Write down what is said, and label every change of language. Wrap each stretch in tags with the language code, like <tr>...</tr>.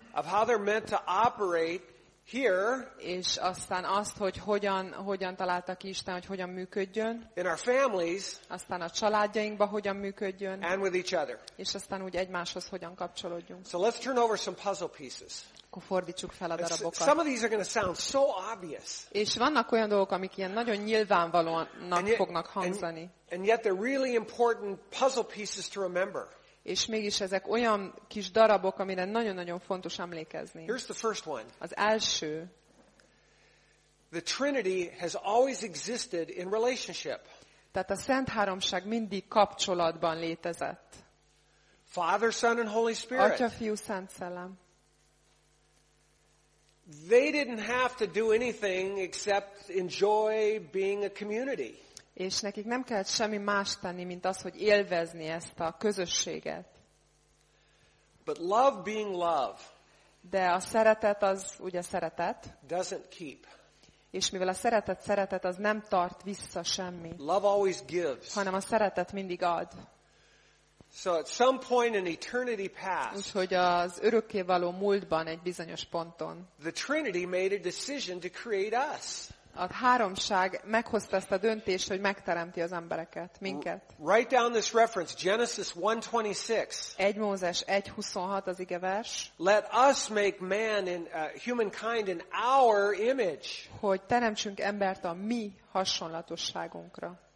<en>Of how they're meant to operate. Here,</en> <hu>és aztán azt, hogy hogyan találta ki Isten, hogy hogyan működjön.</hu> <en>In our families,</en> <hu>aztán a családjainkba hogyan működjön.</hu> <en>And with each other.</en> <hu>És aztán úgy egymáshoz hogyan kapcsolódjunk.</hu> <en>So let's turn over some puzzle pieces.</en> <hu>Akkor fordítsuk fel a darabokat.</hu> <en>Some of these are going to sound so obvious.</en> <hu>És vannak olyan dolgok, amik ilyen nagyon nyilvánvalónak fognak hangzani.</hu> <en>And yet they're really important puzzle pieces to remember.</en> <hu>És mégis ezek olyan kis darabok, amire nagyon-nagyon fontos emlékezni.</hu> <en>Here's the first one.</en> <hu>Az első.</hu> <en>The Trinity has always existed in relationship.</en> <hu>Tehát a Szent Háromság mindig kapcsolatban létezett.</hu> <en>Father, Son, and Holy Spirit.</en> <hu>Atya, Fiú, Szent Szellem.</hu> <en>They didn't have to do anything except enjoy being a community.</en> <hu>És nekik nem kellett semmi más tenni, mint az, hogy élvezni ezt a közösséget.</hu> <en>But love being love.</en> <hu>De a szeretet az ugye szeretet.</hu> <en>Doesn't keep.</en> <hu>És mivel a szeretet szeretet, az nem tart vissza semmi.</hu> <en>Love always gives.</en> <hu>Hanem a szeretet mindig ad.</hu> <en>So at some point in eternity past.</en> <hu>Úgyhogy az örökkévaló múltban egy bizonyos ponton.</hu> <en>The Trinity made a decision to create us.</en> <hu>A háromság meghozta ezt a döntést, hogy megteremti az embereket, minket.</hu> <en>Write down this reference, Genesis 1:26.</en> <hu>1 Mózes 1:26 az ige vers.</hu> <en>Let us make man in humankind in our image.</en> <hu>Hogy teremtsünk embert a mi hasonlatosságunkra.</hu>